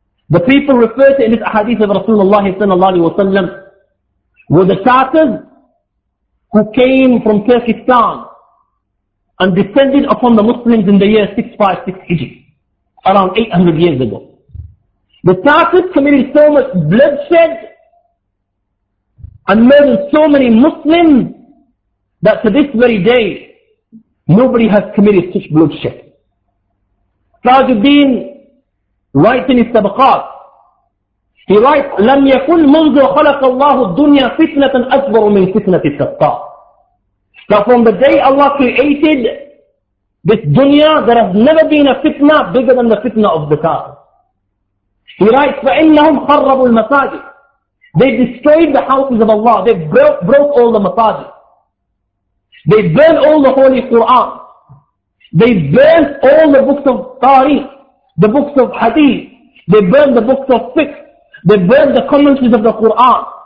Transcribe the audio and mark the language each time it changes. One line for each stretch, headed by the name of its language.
English: The people refer to in this hadith of Rasulullah sallallahu alaihi wasallam were the Tartars who came from Turkestan and descended upon the Muslims in the year 656 Hijri, around 800 years ago. The Tartars committed so much bloodshed and murdered so many Muslims that to this very day, nobody has committed such bloodshed. Tajuddin writes in his Tabaqat, he writes,
Arabic: لَمْ يَكُنْ مُنْزُ خَلَقَ اللَّهُ الدُّنْيَا فِتْنَةً أَكْبَرُ مِنْ فِتْنَةِ الْفَتَّارِ.
English: That from the day Allah created this dunya, there has never been a fitna bigger than the fitna of the Tartars. He writes,
Arabic: فَإِنَّهُمْ خَرَّبُوا الْمَسَاجِدِ.
English: They destroyed the houses of Allah. They broke all the masajid. They burned all the holy Qur'an. They burned all the books of tarikh, the books of hadith. They burned the books of fiqh. They burned the commentaries of the Qur'an.